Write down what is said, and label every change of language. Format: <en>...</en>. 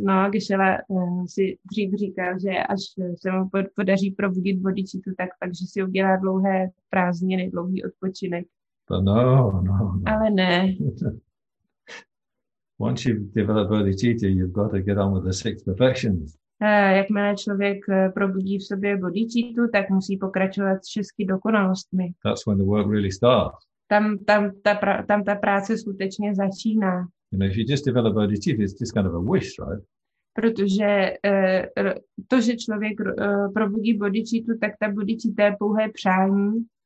<cs>Geshe-la si dřív říkal, že až se mu podaří probudit bodhicittu, takže si udělá dlouhé prázdniny, dlouhý odpočinek.</cs> <en>But no.</en> <cs>Ale ne.</cs> <en>Once you develop bodhicitta, you've got to get on with the six perfections.</en> <cs>Jakmile člověk probudí v sobě bodhicittu, tak musí pokračovat s šesti dokonalostmi.</cs> <en>That's when the work really starts.</en> <cs>Tam ta práce skutečně začíná.</cs> <en>You know, if you just develop bodhicitta, it's just kind of a wish, right?</en> <cs>Protože to, že člověk probudí bodhicittu, tak ta bodhicitta je pouhé přání.</cs>